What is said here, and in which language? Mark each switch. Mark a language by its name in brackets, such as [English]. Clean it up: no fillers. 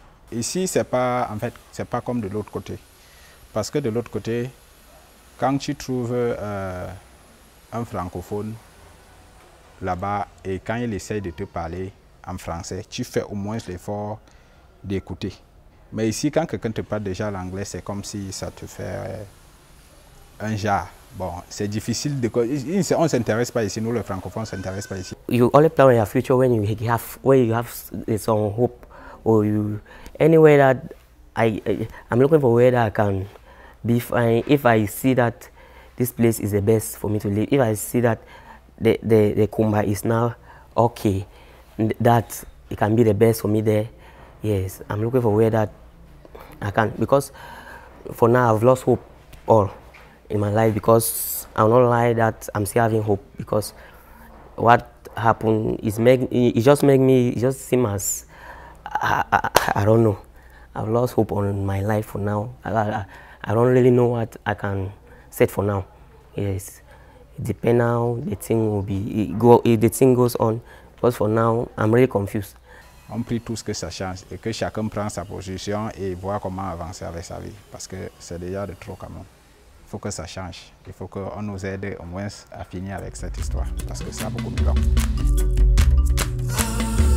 [French] Ici, c'est pas comme de l'autre côté. Parce que de l'autre côté, quand tu trouves un francophone là-bas et quand il essaye de te parler en français, tu fais au moins l'effort d'écouter. Mais ici, quand quelqu'un te parle déjà l'anglais, c'est comme si ça te fait un jar. Bon, c'est difficile de. On ne s'intéresse pas ici, nous les francophones, on ne s'intéresse pas ici. [English] You only plan your future when you have some hope or you anywhere that I'm looking for where that I can be fine. If I see that this place is the best for me to live, if I see that the Kumba is now okay, that it can be the best for me there. Yes, I'm looking for where that I can, because for now I've lost hope all in my life, because I'm not lying that I'm still having hope, because what happened is I don't know. I've lost hope on my life for now. I don't really know what I can set for now. Yes, it depends how the thing will be, if the thing goes on, because for now I'm really confused. [French] On prie tous que ça change et que chacun prend sa position et voit comment avancer avec sa vie. Parce que c'est déjà de trop quand même. Il faut que ça change. Il faut qu'on nous aide au moins à finir avec cette histoire. Parce que c'est beaucoup plus long.